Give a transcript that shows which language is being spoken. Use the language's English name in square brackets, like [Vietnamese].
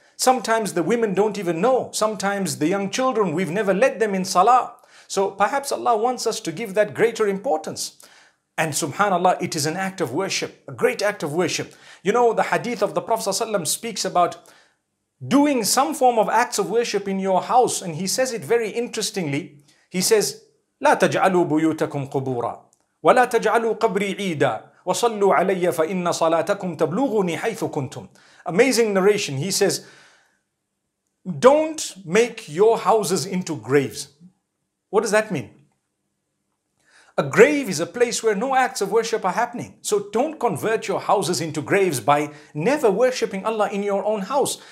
[English] Sometimes the women don't even know. Sometimes the young children, we've never led them in salah. So perhaps Allah wants us to give that greater importance. And subhanallah, it is an act of worship, a great act of worship. You know, the hadith of the Prophet ﷺ speaks about doing some form of acts of worship in your house. And he says it very interestingly. [Arabic] He says, لا تجعلوا بيوتكم قبورا ولا تجعلوا قبري عيدا وصلوا علي فإن صلاتكم تبلغني حيث كنتم. [English] Amazing narration. He says, don't make your houses into graves. What does that mean? A grave is a place where no acts of worship are happening. So don't convert your houses into graves by never worshipping Allah in your own house.